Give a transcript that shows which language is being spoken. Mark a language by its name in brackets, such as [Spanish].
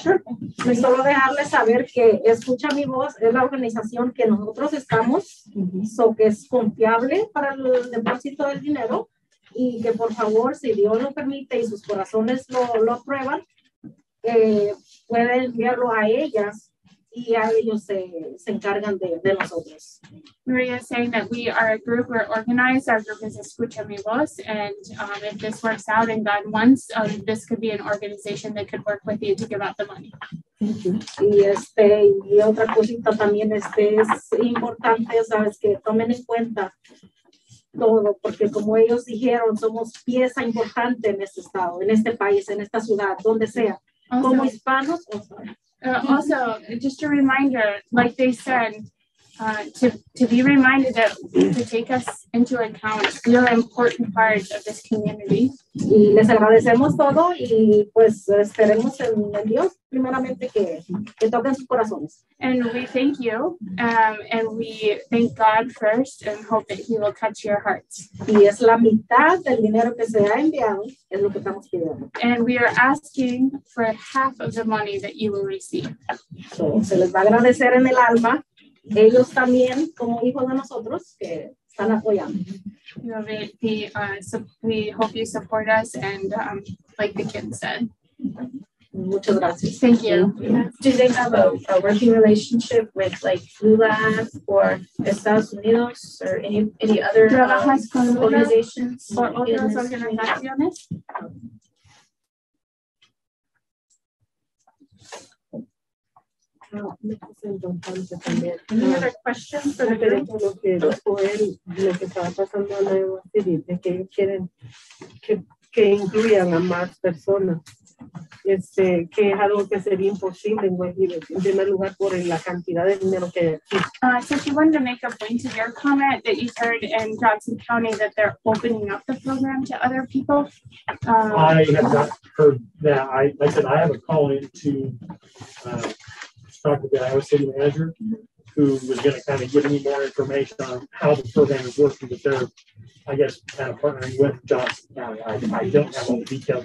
[Spanish] Sure. Solo dejarles saber que escucha mi voz, es la organización que nosotros estamos, so que es confiable para el depósito del dinero, y que por favor, si Dios lo permite y sus corazones lo aprueban, puede enviarlo a ellas. [English] Maria is saying that we are a group, we're organized, our group is Escucha Mi Voz, and if this works out and God wants, this could be an organization that could work with you to give out the money. [Spanish] Y este, y otra cosita también este es importante, sabes, que tomen en cuenta todo, porque como ellos dijeron, somos pieza importante en este estado, en este país, en esta ciudad, donde sea, como hispanos o sea. [English] Also, just a reminder, like they said, to be reminded that to take us into account, you're an important part of this community. [Spanish] Y les agradecemos todo y pues esperemos en Dios primeramente que toquen sus corazones. [English] And we thank you, and we thank God first and hope that he will touch your hearts. [Spanish] Y es la mitad del dinero que se ha enviado, es lo que estamos pidiendo. [English] And we are asking for half of the money that you will receive. [Spanish] So, se les va a agradecer en el alma, ellos también como hijos de nosotros que... [English] You know, we hope you support us, and like the kid said. [Spanish] Muchas gracias. [English] Thank you. Do they have a working relationship with like Flu Lab or Estados Unidos or any other organizations? [Spanish] Or otras organizaciones? [English] Any other questions for the group? [Spanish] Lo que estaba pasando en la nueva city, de que ellos quieren que incluyan a más personas, este, que es algo que sería imposible en primer lugar por la cantidad de dinero que hay aquí. [English] So she wanted to make a point of your comment that you heard in Johnson County that they're opening up the program to other people. I have not heard that. I said I have a call in to talk with the Iowa City Manager, who was going to kind of give me more information on how the program is working, but they're, I guess, kind of partnering with Johnson County. I don't have all the details